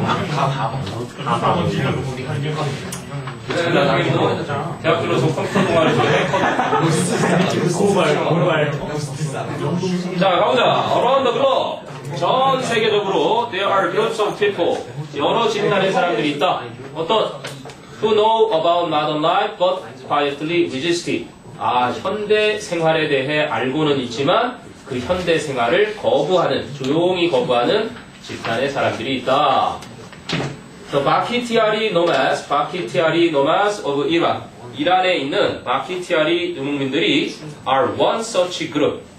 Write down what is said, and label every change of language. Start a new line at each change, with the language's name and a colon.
Korean: 자, 가보자.
English: Around the globe.
Korean: 전 세계적으로,
English: there are groups of people.
Korean: 여러 집단의 사람들이 있다. 어떤,
English: who know about modern life but quietly resisted.
Korean: 아, 현대 생활에 대해 알고는 있지만, 그 현대 생활을 거부하는, 조용히 거부하는 집단의 사람들이 있다.
English: The Bakhtiari Nomads, Bakhtiari Nomads of Iran.
Korean: 이란에 있는 Bakhtiari 유목민들이
English: are one such group.